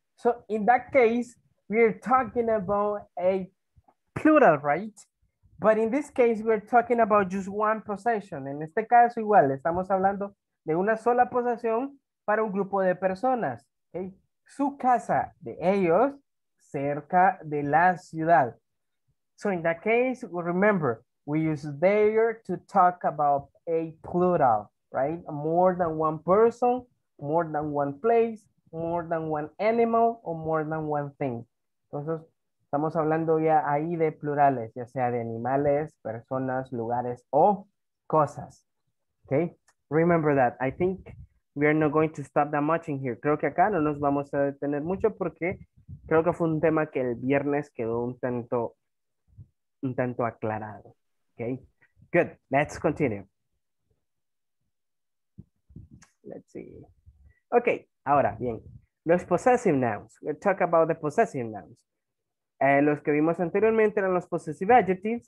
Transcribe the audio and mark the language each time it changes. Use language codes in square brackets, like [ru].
[en] So in that case, we're talking about a plural, right? But in this case, we're talking about just one possession. [es] En este caso, igual, estamos hablando de una sola posesión para un grupo de personas. Okay? Su casa de ellos, cerca de la ciudad. [en] So in that case, remember, we use there to talk about a plural, right? More than one person, more than one place, more than one animal, or more than one thing. [es] Entonces, estamos hablando ya ahí de plurales, ya sea de animales, personas, lugares o cosas. [en] Okay, remember that. I think we are not going to stop that much in here. [es] Creo que acá no nos vamos a detener mucho porque creo que fue un tema que el viernes quedó un tanto aclarado. [en] Okay, good. Let's continue. Let's see. Okay, [es] ahora bien. Los [en] possessive nouns. We'll talk about the possessive nouns. [es] Los que vimos anteriormente eran los possessive adjectives.